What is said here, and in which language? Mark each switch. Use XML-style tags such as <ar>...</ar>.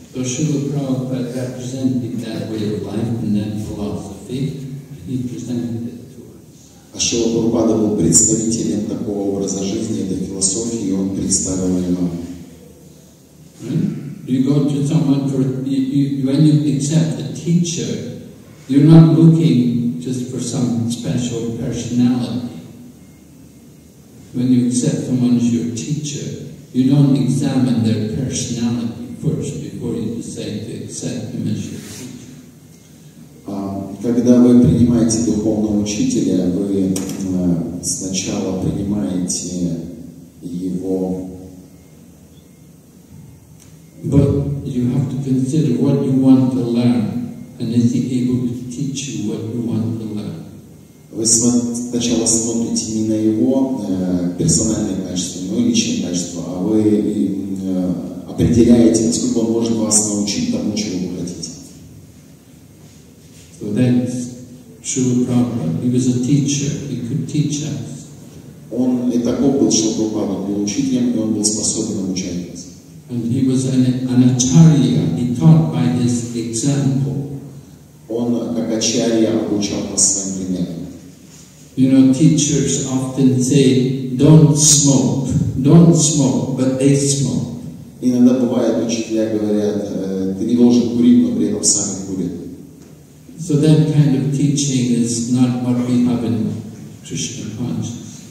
<en>So Srila Prabhupada represented that way of life and that philosophy. He presented it to us.</en> <ru>А Шрила Прабхупада был представителем такого образа жизни, этой философии, и он представил ее нам.</ru> <en>You go to someone for when you accept a teacher, you're not looking just for some special personality. When you accept someone as your teacher, you don't examine their personality first before you decide to accept them as your teacher.</en> <ru>Когда вы принимаете духовного учителя, вы сначала принимаете его.</ru> <en>But you have to consider what you want to learn, and is he able to teach you what you want to learn?</en> <ru>Вы сначала смотрите не на его персональные качества, но и личные качества, а вы определяете, насколько он может вас научить тому, чего вы хотите.</ru> <en>So that's Srila Prabhupada. He was a teacher. He could teach us.</en> <ru>Он и таков был Шрила Прабхупада, был учителем, и он был способен обучать нас.</ru> <en>And he was an acharya. He taught by his example.</en> <ru>Он как ачарья обучал по своим примерам.</ru> <en>You know, teachers often say, don't smoke, but they smoke.</en> <ru>Иногда бывает, учителя говорят, ты не должен курить, но при этом сами курят.</ru> <en>So that kind of teaching is not what we have in Krishna consciousness.</en>